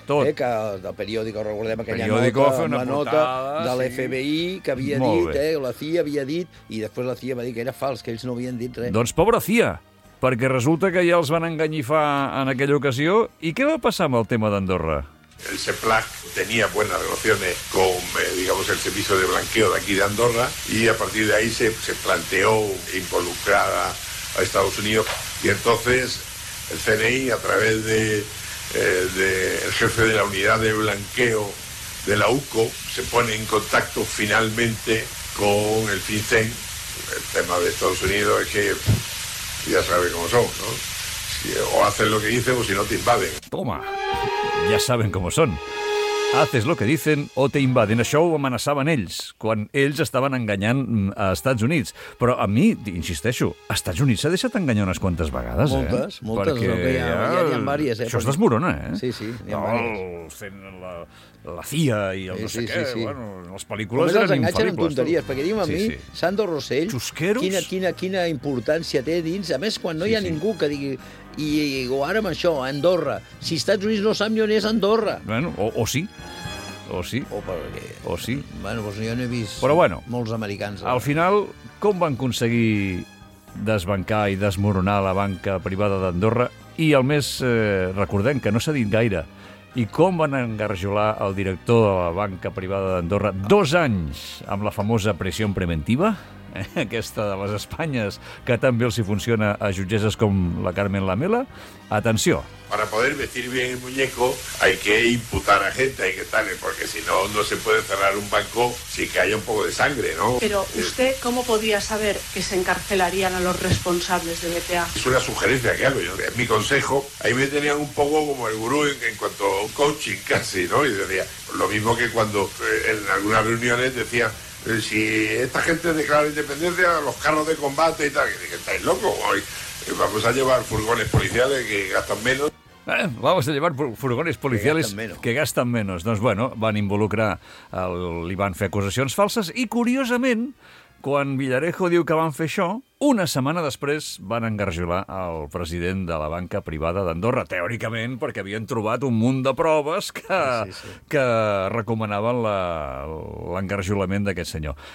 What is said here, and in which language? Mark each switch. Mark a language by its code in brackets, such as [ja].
[ca] Tot. Que del periòdic, recordem aquella periòdic nota, una nota portada, de l'FBI, sí, que havia dit, la CIA havia dit, i després la CIA va dir que era fals, que ells no havien dit res. Doncs pobra CIA, perquè resulta que ja els van enganyifar en aquella ocasió. I què va passar amb el tema d'Andorra? [es] El CEPLAC tenía buenas relaciones con, digamos, el servicio de blanqueo de aquí de Andorra, y a partir de ahí se planteó involucrar a Estados Unidos, y entonces el CNI, a través del jefe de la unidad de blanqueo de la UCO, se pone en contacto finalmente con el FinCEN. El tema de Estados Unidos es que ya sabe cómo son, ¿no? Si, o hacen lo que dicen o si no te invaden. [ca] Toma. Ja saben com són. [es] Haces lo que dicen o te invaden. [ca] Això ho amenaçaven ells, quan ells estaven enganyant a Estats Units. Però a mi, insisteixo, Estats Units s'ha deixat enganyar unes quantes vegades, moltes, eh? Moltes, perquè... no, que ja n'hi ha diverses. Això perquè... és desmorona, eh? Sí, sí, n'hi ha diverses. Fent la CIA i el sí, no sé sí, què. Sí, sí. Bueno, les pel·lícules eren Només els enganxen en tonteries, perquè diguem a mi, Sandro Rosell, xusqueros? quina importància té dins. A més, quan no hi ha ningú que digui... I o ara amb això, a Andorra. Si Estats Units no sap ni on és Andorra. Bueno, o sí. O sí. O perquè... O sí. Bueno, doncs jo no he vist però bueno, molts americans. Al final, com van aconseguir desbancar i desmoronar la banca privada d'Andorra? I al més, recordem que no s'ha dit gaire. I com van engarjolar el director de la banca privada d'Andorra 2 anys amb la famosa pressió preventiva? aquesta de les Espanyes, que també els hi funciona a jutgesses com la Carmen Lamela. Atenció. [es] Para poder vestir bien el muñeco hay que imputar a gente, hay que tal, porque si no, no se puede cerrar un banco sin que haya un poco de sangre, ¿no? Pero usted, ¿cómo podía saber que se encarcelarían a los responsables de BTA? Es una sugerencia que hago yo, es mi consejo. Ahí me tenían un poco como el gurú en cuanto a coaching casi, ¿no? Y decía, lo mismo que cuando en algunas reuniones decía, si esta gente declara independencia, los carros de combate y tal, que estáis locos, hoy vamos a llevar furgones policiales que gastan menos. Vamos a llevar furgones policiales que gasten menys. [ca] Doncs bueno, van involucrar, li van fer acusacions falses i, curiosament, quan Villarejo diu que van fer això, una setmana després van engarjolar el president de la banca privada d'Andorra, teòricament perquè havien trobat un munt de proves que recomanaven l'engarjolament d'aquest senyor.